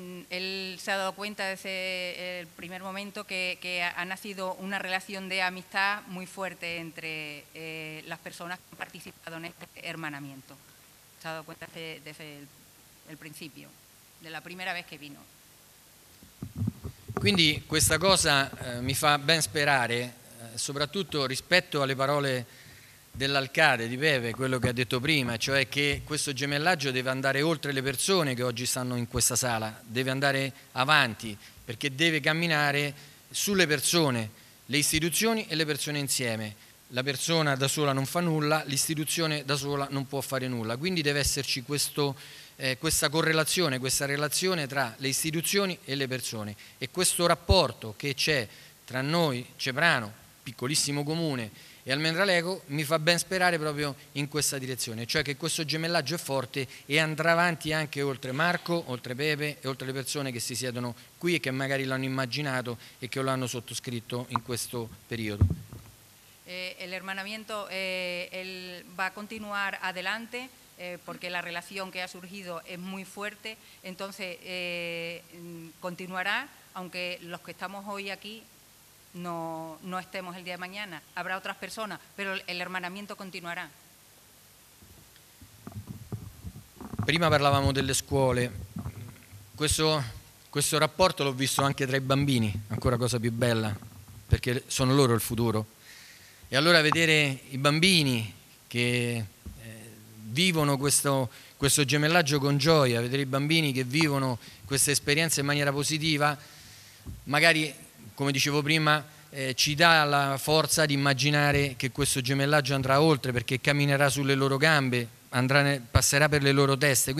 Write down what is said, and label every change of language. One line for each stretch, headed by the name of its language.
Spanish: él se ha dado cuenta desde el primer momento que ha nacido una relación de amistad muy fuerte entre las personas que han participado en este hermanamiento. Se ha dado cuenta desde el principio, de la primera vez que vino.
Italian: Quindi questa cosa mi fa ben sperare, soprattutto rispetto alle parole dell'alcade di Beve, quello che ha detto prima, cioè che questo gemellaggio deve andare oltre le persone che oggi stanno in questa sala, deve andare avanti, perché deve camminare sulle persone, le istituzioni e le persone insieme. La persona da sola non fa nulla, l'istituzione da sola non può fare nulla, quindi deve esserci questa correlazione, questa relazione tra le istituzioni e le persone, e questo rapporto che c'è tra noi, Ceprano, piccolissimo comune, e Almendralejo mi fa ben sperare proprio in questa direzione, cioè che questo gemellaggio è forte e andrà avanti anche oltre Marco, oltre Pepe e oltre le persone che si siedono qui e che magari l'hanno immaginato e che lo hanno sottoscritto in questo periodo.
Spanish: El hermanamiento él va a continuar adelante porque la relación que ha surgido es muy fuerte, entonces continuará aunque los que estamos hoy aquí no estemos el día de mañana, habrá otras personas, pero el hermanamiento continuará.
Italian: Prima parlavamo delle scuole, questo rapporto l'ho visto anche tra i bambini, ancora cosa più bella, perché sono loro il futuro. E allora vedere i bambini che vivono questo gemellaggio con gioia, vedere i bambini che vivono questa esperienza in maniera positiva, magari, come dicevo prima, ci dà la forza di immaginare che questo gemellaggio andrà oltre, perché camminerà sulle loro gambe, passerà per le loro teste.